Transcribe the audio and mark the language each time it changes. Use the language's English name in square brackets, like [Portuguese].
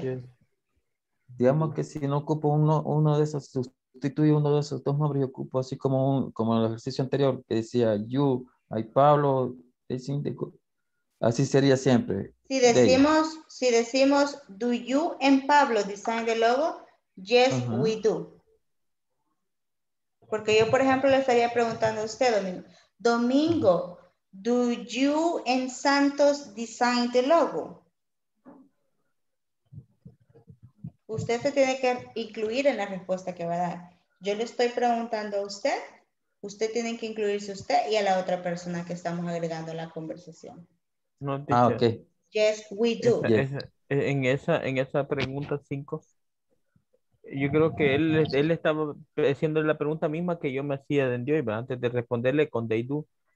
[Spanish] Yes. Digamos que si no ocupo uno de esos, sustituyo uno de esos dos nombres y ocupo así como un, como el ejercicio anterior que decía you. Ay, Pablo, así sería siempre. Si decimos, [English] do you and Pablo design the logo? Yes, uh-huh. We do. [Spanish] Porque yo, por ejemplo, le estaría preguntando a usted, Domingo. [English] Domingo, do you and Santos design the logo? [Spanish] Usted se tiene que incluir en la respuesta que va a dar. Yo le estoy preguntando a usted. Usted tiene que incluirse usted y a la otra persona que estamos agregando la conversación. No, ah, ok. [English] Yes, we do. [Spanish] En esa pregunta 5, yo creo que él estaba haciendo la pregunta misma que yo me hacía de Dios, antes de responderle con [English] they do.